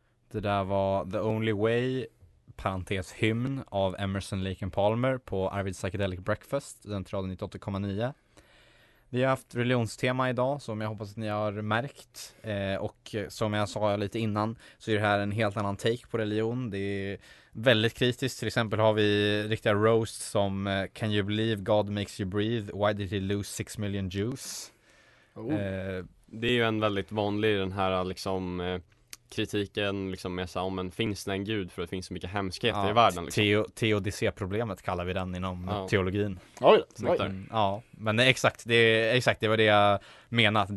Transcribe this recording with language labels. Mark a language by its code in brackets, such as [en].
[sv] Det där var The Only Way, parentes hymn, av Emerson, Lake and Palmer på Arvid Psychedelic Breakfast, den 98,9. Vi har haft religionstema idag, som jag hoppas att ni har märkt. Och som jag sa lite innan, så är det här en helt annan take på religion. Det är väldigt kritiskt. Till exempel har vi riktiga roast som [en] Can you believe God makes you breathe? Why did he lose 6 million Jews? Oh. [sv] Det är ju en väldigt vanlig, den här liksom... kritiken liksom med såhär, men finns det en gud, för det finns så mycket hemskheter, ja, i världen? Liksom. Teodicé-problemet kallar vi den inom, ja, teologin. Oj. Ja, men exakt, det var det jag menat.